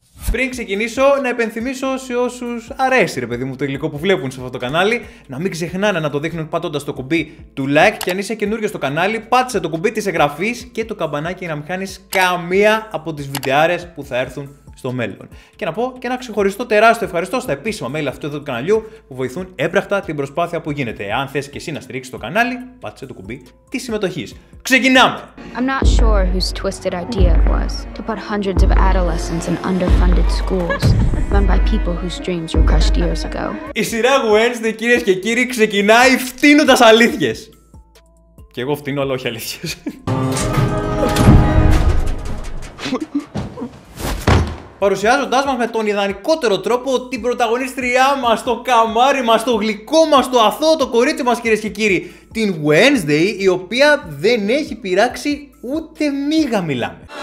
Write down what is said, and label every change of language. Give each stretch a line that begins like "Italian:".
Greek: Πριν ξεκινήσω, να υπενθυμίσω σε όσους αρέσει, ρε παιδί μου, το υλικό που βλέπουν σε αυτό το κανάλι, να μην ξεχνάνε να το δείχνουν πατώντας το κουμπί του like, και αν είσαι καινούριο στο κανάλι, πάτησε το κουμπί της εγγραφής και το καμπανάκι για να μην χάνεις καμία από τις βιντεάρες που θα έρθουν στο μέλλον. Και να πω και ένα ξεχωριστό τεράστιο ευχαριστώ στα επίσημα μέλη αυτού εδώ του καναλιού που βοηθούν έμπραχτα την προσπάθεια που γίνεται. Αν θες και εσύ να στηρίξεις το κανάλι, πάτησε το κουμπί της συμμετοχής. Ξεκινάμε!
English: I'm not sure whose twisted idea it was to put hundreds of adolescents in underfunded schools run by people whose dreams were crushed years ago.
Greek: Η σειρά Wednesday, κυρίες και κύριοι, ξεκινάει φτύνοντας αλήθειες. Και εγώ φτύνω, αλλά όχι αλήθειες. Παρουσιάζοντάς μας με τον ιδανικότερο τρόπο την πρωταγωνίστριά μας, το καμάρι μας, το γλυκό μας, το αθώο, το κορίτσι μας, κυρίες και κύριοι, την Wednesday, η οποία δεν έχει πειράξει ούτε μίγα, μιλάμε.